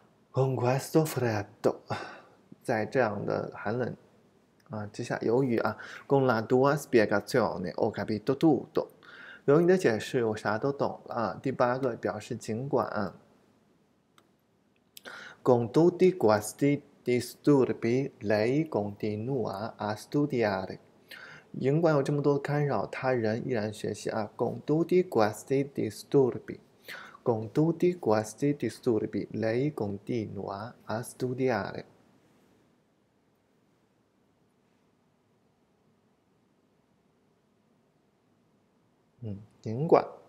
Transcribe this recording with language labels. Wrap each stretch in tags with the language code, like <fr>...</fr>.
<it>Con questo freddo，</it> <zh>在这样的寒冷啊之下，由于啊，</zh> <it>con la tua spiegazione ho capito tutto，</it> <zh>由于你的解释，我啥都懂了啊。第八个表示尽管啊。</zh> <it>Con tutti questi disturbi, lei continua a studiare.</it> <zh>尽管有这么多干扰，他仍依然学习啊。</zh> <it>Con tutti questi disturbi, con tutti questi disturbi, lei continua a studiare.</it> <zh>尽管。</zh>